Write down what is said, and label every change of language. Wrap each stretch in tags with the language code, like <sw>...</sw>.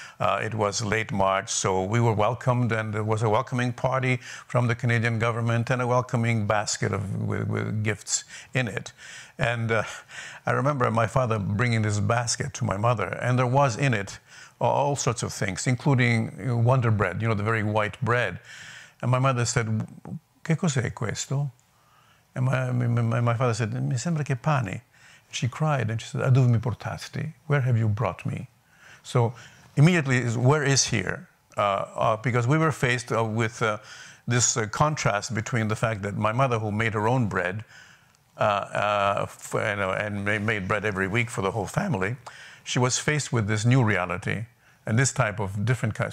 <en>It was late March, so we were welcomed, and there was a welcoming party from the Canadian government and a welcoming basket with gifts in it. And I remember my father bringing this basket to my mother, and there was in it all sorts of things, including Wonder Bread, you know, the very white bread. And my mother said,</en> <it>"Che cos'è questo?"</it> <en>And my father said,</en> <it>"Mi sembra che pane."</it> <en>She cried, and she said,</en> <it>"A dove mi portasti?</it> <en>Where have you brought me?" So immediately, where is here? Because we were faced with this contrast between the fact that my mother, who made her own bread, and made bread every week for the whole family, she was faced with this new reality and this type of different kind.</en>